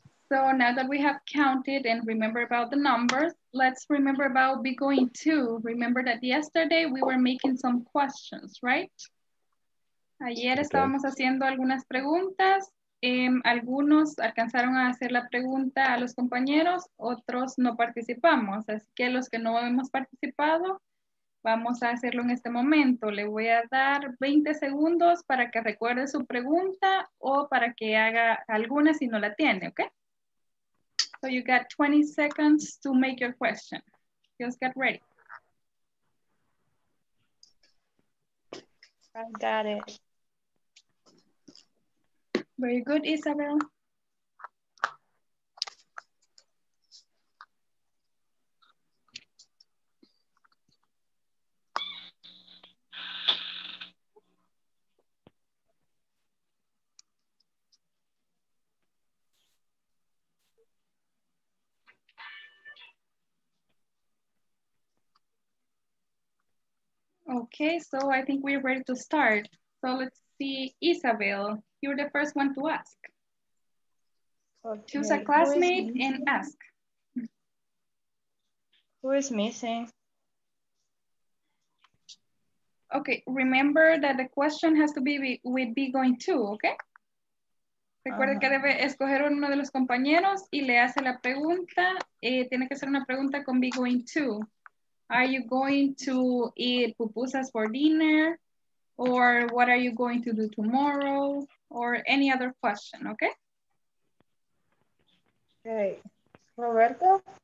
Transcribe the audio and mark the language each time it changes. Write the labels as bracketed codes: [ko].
[en] So now that we have counted and remember about the numbers, let's remember about be going to. Remember that yesterday we were making some questions, right? [es] Ayer estábamos haciendo algunas preguntas. Algunos alcanzaron a hacer la pregunta a los compañeros, otros no participamos. Así que los que no hemos participado, vamos a hacerlo en este momento. Le voy a dar 20 segundos para que recuerde su pregunta o para que haga alguna si no la tiene, ¿ok? [en] So you got 20 seconds to make your question. Just get ready. I got it. Very good, Isabel. Okay, so I think we're ready to start. So let's see, Isabel, you're the first one to ask. Okay. Choose a classmate and ask. Who is missing? Okay, remember that the question has to be with be going to, okay? [es] Recuerde que debe escoger uno de los compañeros y le hace la pregunta. Tiene que ser una pregunta con be going to. [en] Are you going to eat pupusas for dinner? Or what are you going to do tomorrow? Or any other question, okay? Okay, Roberto?